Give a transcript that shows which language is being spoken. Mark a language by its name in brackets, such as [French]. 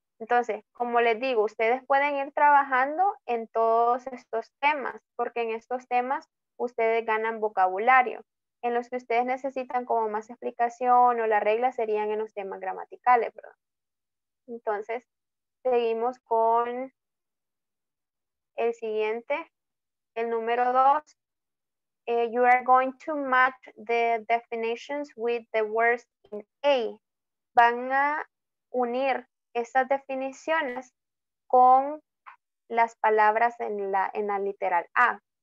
[Spanish] Entonces, como les digo, ustedes pueden ir trabajando en todos estos temas, porque en estos temas ustedes ganan vocabulario. En los que ustedes necesitan como más explicación o la regla serían en los temas gramaticales, ¿verdad? Entonces, seguimos con el siguiente, el número dos. [English] You are going to match the definitions with the words in A. [Spanish] Van a unir estas definiciones con las palabras en la literal A.